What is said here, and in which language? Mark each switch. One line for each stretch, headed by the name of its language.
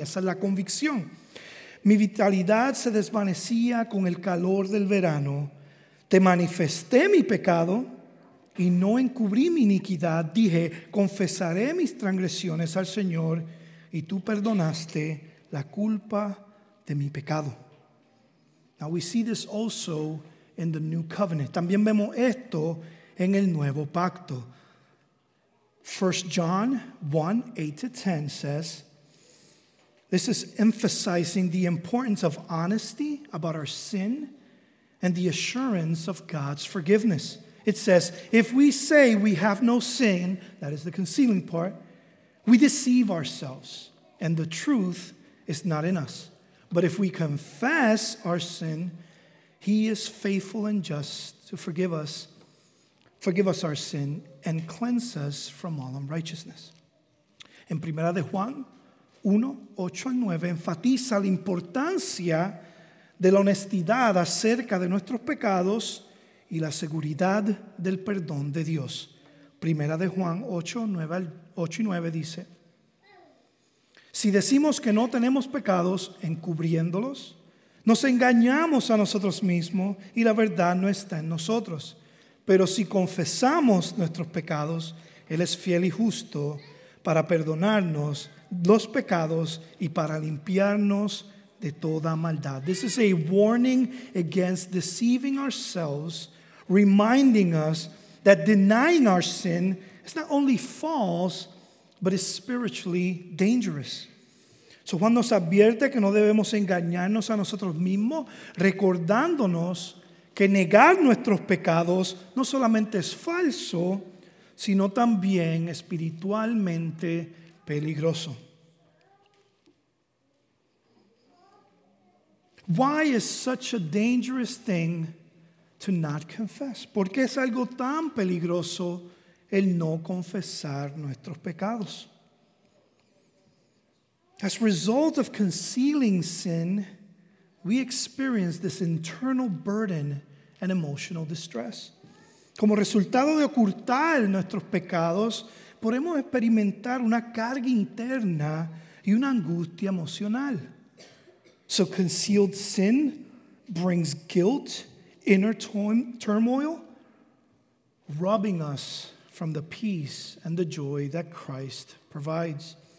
Spanish: Esa es la convicción. "Mi vitalidad se desvanecía con el calor del verano. Te manifesté mi pecado y no encubrí mi iniquidad. Dije, confesaré mis transgresiones al Señor, y tú perdonaste la culpa de mi pecado."
English: Now we see this also in the new covenant.
Spanish: También vemos esto en el nuevo pacto.
English: 1 John 1, 8 to 10 says, this is emphasizing the importance of honesty about our sin and the assurance of God's forgiveness. It says, "If we say we have no sin," that is the concealing part, "we deceive ourselves and the truth is not in us. But if we confess our sin, he is faithful and just to forgive us our sin and cleanse us from all unrighteousness."
Spanish: En Primera de Juan 1, 8 al 9 enfatiza la importancia de la honestidad acerca de nuestros pecados y la seguridad del perdón de Dios. Primera de Juan 8 y 9 dice, "Si decimos que no tenemos pecados, encubriéndolos, nos engañamos a nosotros mismos y la verdad no está en nosotros. Pero si confesamos nuestros pecados, Él es fiel y justo para perdonarnos los pecados y para limpiarnos de toda maldad."
English: This is a warning against deceiving ourselves, reminding us that denying our sin is not only false, but is spiritually dangerous.
Spanish: So Juan nos advierte que no debemos engañarnos a nosotros mismos, recordándonos que negar nuestros pecados no solamente es falso, sino también espiritualmente peligroso.
English: Why is such a dangerous thing to not confess?
Spanish: ¿Por qué es algo tan peligroso el no confesar nuestros pecados?
English: As a result of concealing sin, we experience this internal burden and emotional distress.
Spanish: Como resultado de ocultar nuestros pecados, podemos experimentar una carga interna y una angustia emocional.
English: So concealed sin brings guilt, inner turmoil, robbing us from the peace and the joy that Christ provides.